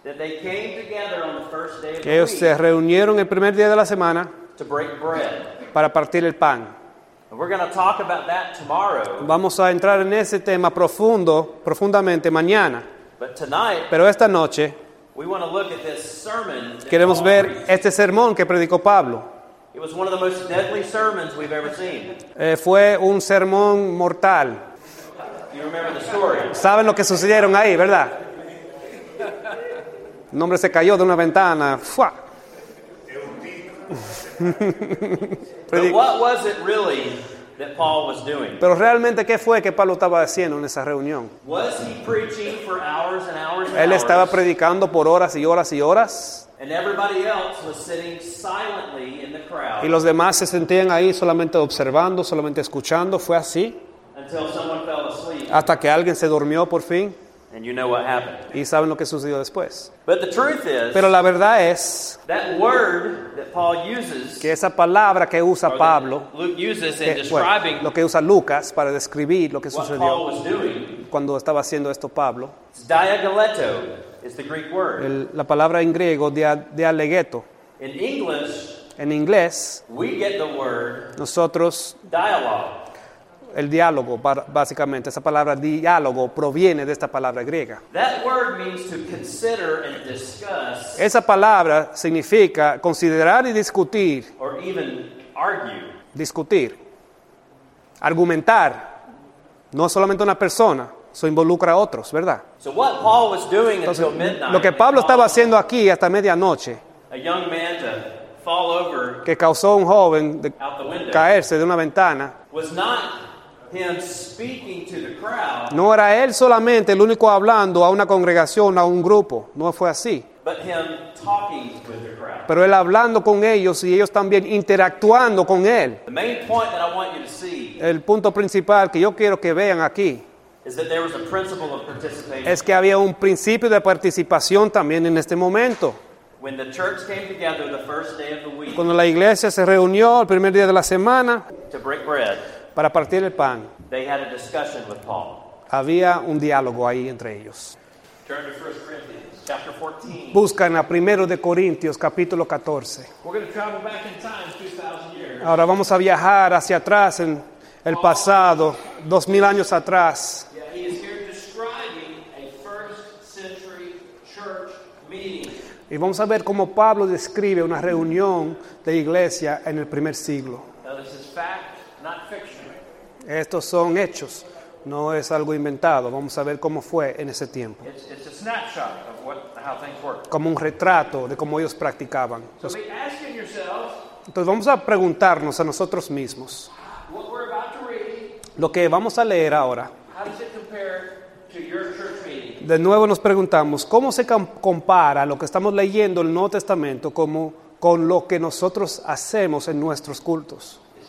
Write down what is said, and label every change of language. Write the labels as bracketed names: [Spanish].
[English] that they came together on the first day of [Spanish] que ellos se reunieron el primer día de la semana [English] to break bread. [Spanish] Para partir el pan. [English] We're going to talk about that tomorrow. [Spanish] Vamos a entrar en ese tema profundamente mañana. [English] But tonight, [Spanish] pero esta noche, [English] we want to look at this sermon. [Spanish] Queremos ver este sermón que predicó Pablo. [English] It was one of the most deadly sermons we've ever seen. [Spanish] Fue un sermón mortal. [English] You remember the story? [Spanish] ¿Saben lo que sucedieron ahí, verdad? Un hombre se cayó de una ventana. ¡Fua! [English] But what was it really that Paul was doing? [Spanish] Pero realmente, ¿qué fue que Pablo estaba haciendo en esa reunión? [English] Was he preaching for hours and hours and [Spanish] él [English] hours? [Spanish] Estaba predicando por horas y horas y horas. [English] And everybody else was sitting silently in the crowd. [Spanish] Y los demás se sentían ahí solamente observando, solamente escuchando. ¿Fue así? [English] Until someone fell asleep. [Spanish] Hasta que alguien se durmió por fin. [English] And you know what happened. [Spanish] Y saben lo que sucedió después. [English] But the truth is, [Spanish] pero la verdad es, [English] that word that Paul uses, [Spanish] que esa palabra que usa Pablo, [English] Luke uses in describing, [Spanish] lo que usa Lucas para describir lo que sucedió, [English] what Paul was doing, [Spanish] cuando estaba haciendo esto Pablo, [English] it's diagaleto is the Greek word. [Spanish] La palabra en griego, dialegueto. [English] In English, [Spanish] en inglés, [English] we get the word, [Spanish] nosotros, [English] dialogue. [Spanish] El diálogo, básicamente, esa palabra diálogo proviene de esta palabra griega. [English] That word means to consider and discuss, [Spanish] esa palabra significa considerar y discutir. [English] Or even argue. [Spanish] Discutir. Argumentar. No solamente una persona, eso involucra a otros, ¿verdad? [English] So what Paul was doing entonces, until midnight, [Spanish] lo que Pablo estaba haciendo aquí hasta medianoche, [English] a young man to fall over, [Spanish] que causó a un joven de caerse de una ventana, [English] was not him speaking to the crowd. [Spanish] No era él solamente el único hablando a una congregación, a un grupo. No fue así. [English] But him talking with the crowd. [Spanish] Pero él hablando con ellos y ellos también interactuando con él. [English] The main point that I want you to see, [Spanish] el punto principal que yo quiero que vean aquí [English] is that there was a principle of participation. [Spanish] Es que había un principio de participación también en este momento. [English] When the church came together the first day of the week, [Spanish] cuando la iglesia se reunió el primer día de la semana [English] to break bread, [Spanish] para partir el pan. [English] They had a discussion with Paul. [Spanish] Había un diálogo ahí entre ellos. [English] Turn to 1 Corinthians, chapter 14. [Spanish] Buscan a 1 de Corintios, capítulo 14. [English] We're going to travel back in time 2,000 years. [Spanish] Ahora vamos a viajar hacia atrás en el pasado, 2,000 años atrás. [English] Yeah, he is here describing a first century church meeting. [Spanish] Y vamos a ver cómo Pablo describe una reunión de iglesia en el primer siglo. [English] Now this is fact. Not fiction. [Spanish] Estos son hechos, no es algo inventado. Vamos a ver cómo fue en ese tiempo. [English] It's a snapshot of what, how things work. [Spanish] Como un retrato de cómo ellos practicaban. [English] So be asking yourselves, [Spanish] entonces vamos a preguntarnos a nosotros mismos. [English] What we're about to read, [Spanish] lo que vamos a leer ahora. [English] How does it compare to your church meeting? [Spanish] De nuevo nos preguntamos, ¿cómo se compara lo que estamos leyendo el Nuevo Testamento como, con lo que nosotros hacemos en nuestros cultos?